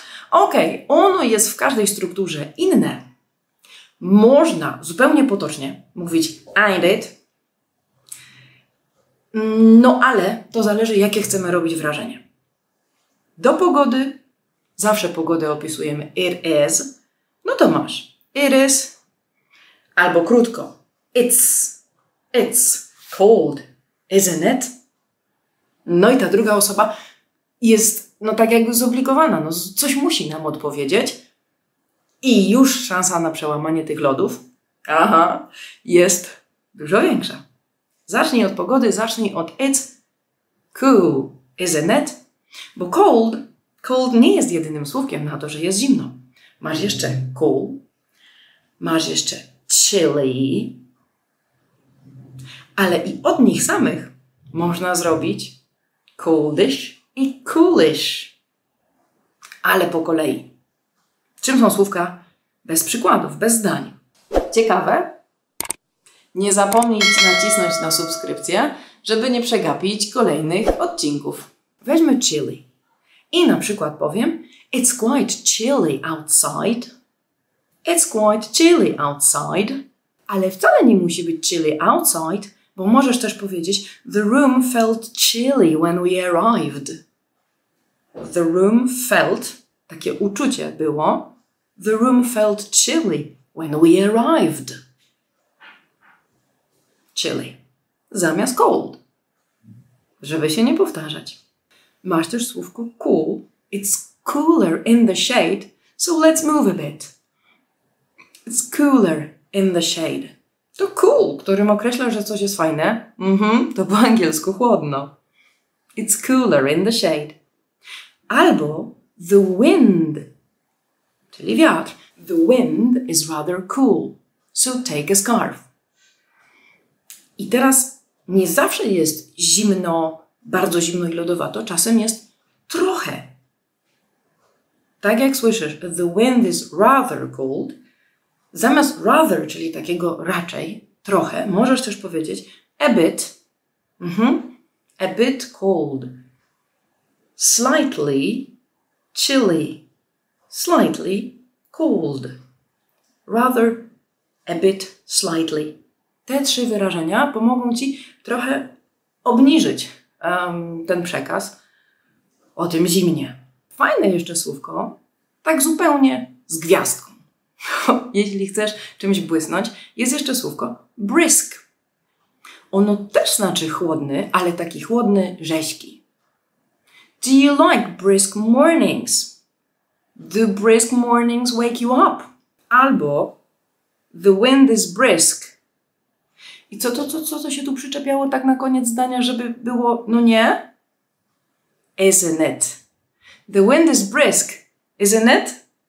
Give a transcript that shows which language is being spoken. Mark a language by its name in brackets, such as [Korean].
[Polish] Okej, ono jest w każdej strukturze inne. Można zupełnie potocznie mówić [English] ain't it. [Polish] No ale to zależy, jakie chcemy robić wrażenie. Do pogody zawsze pogodę opisujemy [English] it is. [Polish] No to masz [English] it is [Polish] albo krótko [English] it's cold, isn't it? [Polish] No i ta druga osoba jest no tak jakby zobligowana, no coś musi nam odpowiedzieć i już szansa na przełamanie tych lodów jest dużo większa. Zacznij od pogody, zacznij od [English] it's cool, isn't it? [Polish] Bo cold nie jest jedynym słówkiem na to, że jest zimno. Masz jeszcze cool, masz jeszcze chilly, ale i od nich samych można zrobić coldish i coolish. Ale po kolei. Czym są słówka bez przykładów, bez zdań? Ciekawe? Nie zapomnij nacisnąć na subskrypcję, żeby nie przegapić kolejnych odcinków. Weźmy chilly. I na przykład powiem [English] It's quite chilly outside. It's quite chilly outside. [Polish] Ale wcale nie musi być chilly outside, bo możesz też powiedzieć [English] The room felt chilly when we arrived. The room felt, [Polish] takie uczucie było, [English] The room felt chilly when we arrived. [Polish] Chilly. Zamiast cold. Żeby się nie powtarzać. Masz też słówko cool. [English] It's cooler in the shade, so let's move a bit. It's cooler in the shade. [Polish] To cool, którym określa, że coś jest fajne. To po angielsku chłodno. [English] It's cooler in the shade. Albo the wind, [Polish] czyli wiatr. [English] The wind is rather cool, so take a scarf. [Polish] I teraz nie zawsze jest zimno, bardzo zimno i lodowato. Czasem jest trochę. Tak jak słyszysz, [English] the wind is rather cold. [Polish] Zamiast rather, czyli takiego raczej, trochę, możesz też powiedzieć [English] a bit cold, slightly chilly, slightly cold, [Polish] rather, a bit, slightly. Te trzy wyrażenia pomogą ci trochę obniżyć ten przekaz o tym zimnie. Fajne jeszcze słówko, tak zupełnie z gwiazdką. Jeśli chcesz czymś błysnąć, jest jeszcze słówko brisk. Ono też znaczy chłodny, ale taki chłodny, rześki. [English] Do you like brisk mornings? Do brisk mornings wake you up? Albo the wind is brisk. [Polish] I co to się tu przyczepiało tak na koniec zdania, żeby było, no nie? [English] Isn't it? The wind is brisk, isn't it?